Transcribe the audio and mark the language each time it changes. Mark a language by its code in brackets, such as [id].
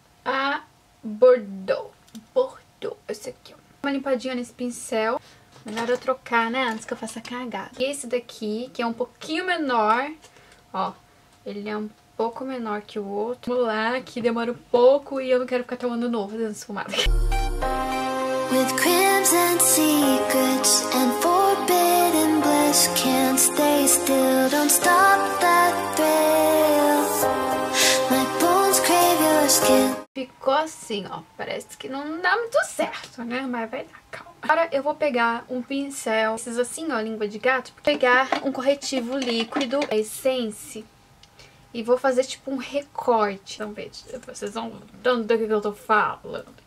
[pt] A Bordeaux. Essa aqui, ó. Uma limpadinha nesse pincel. Melhor eu trocar, né? Antes que eu faça cagada. E esse daqui, que é um pouquinho menor. Ó. Ele é um pouco menor que o outro. Vamos lá, que demora um pouco e eu não quero ficar tomando novo dando esfumado. [en] With crimson secrets and forbidden bliss, can't stay still, don't stop that thrill. My bones crave your skin. [pt] Ficou assim, ó. Parece que não dá muito certo, né? Mas vai dar, calma. Agora eu vou pegar um pincel. Esses assim, ó, língua de gato. Vou pegar um corretivo líquido, a Essence. E vou fazer tipo um recorte. Então, gente, vocês vão entender do que eu tô falando.